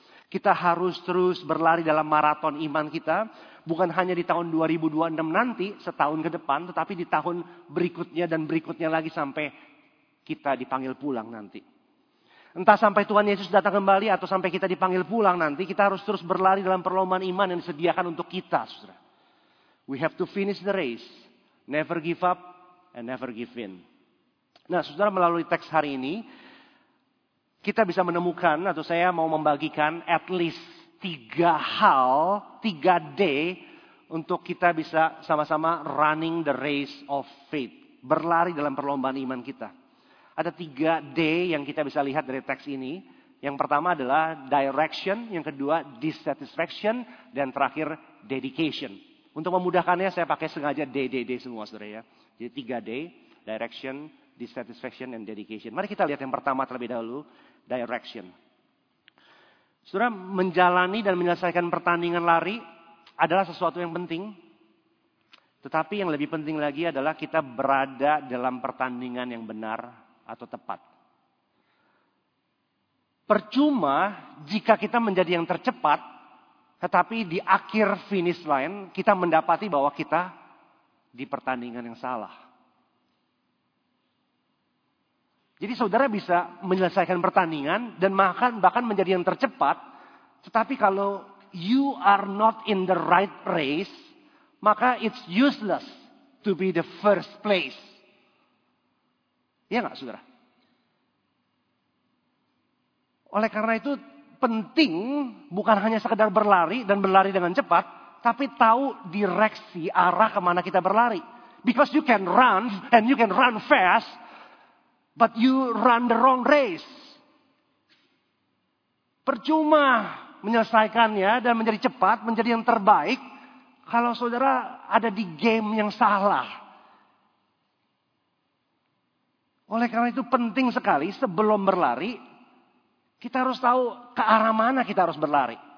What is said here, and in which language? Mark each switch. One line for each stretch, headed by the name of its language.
Indonesian: Kita harus terus berlari dalam maraton iman kita. Bukan hanya di tahun 2026 nanti, setahun ke depan, tetapi di tahun berikutnya dan berikutnya lagi sampai kita dipanggil pulang nanti. Entah sampai Tuhan Yesus datang kembali atau sampai kita dipanggil pulang nanti, kita harus terus berlari dalam perlombaan iman yang disediakan untuk kita, saudara.
English: We have to finish the race. Never give up and never give in.
Indonesian: Nah, saudara, melalui teks hari ini, kita bisa menemukan atau saya mau membagikan
English: at least
Indonesian: 3 D untuk kita bisa sama-sama
English: running the race of faith.
Indonesian: Berlari dalam perlombaan iman kita. Ada 3 D yang kita bisa lihat dari teks ini. Yang pertama adalah direction, yang kedua dissatisfaction, dan terakhir dedication. Untuk memudahkannya saya pakai sengaja DDD semua, saudara ya. Jadi 3 D, direction, dissatisfaction, and dedication. Mari kita lihat yang pertama terlebih dahulu, direction. Saudara, menjalani dan menyelesaikan pertandingan lari adalah sesuatu yang penting. Tetapi yang lebih penting lagi adalah kita berada dalam pertandingan yang benar atau tepat. Percuma jika kita menjadi yang tercepat, tetapi di akhir finish line kita mendapati bahwa kita di pertandingan yang salah. Jadi saudara bisa menyelesaikan pertandingan dan bahkan menjadi yang tercepat, tetapi kalau
English: you are not in the right race,
Indonesian: maka
English: it's useless to be the first place.
Indonesian: Iya enggak, saudara? Oleh karena itu penting bukan hanya sekedar berlari dan berlari dengan cepat, tapi tahu direksi arah kemana kita berlari.
English: Because you can run and you can run fast, but you run the wrong race.
Indonesian: Percuma menyelesaikannya dan menjadi cepat, menjadi yang terbaik, kalau saudara ada di game yang salah. Oleh karena itu penting sekali sebelum berlari, kita harus tahu ke arah mana kita harus berlari.